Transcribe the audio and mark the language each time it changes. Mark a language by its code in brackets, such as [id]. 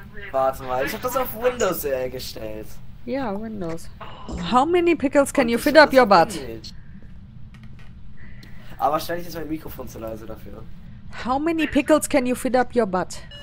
[de] Warte mal, ich hab das auf Windows gestellt. Ja, Windows. [en] How many pickles can you fit up your butt? [de] Aber stell ich jetzt mein Mikrofon zu leise dafür. [en] How many pickles can you fit up your butt?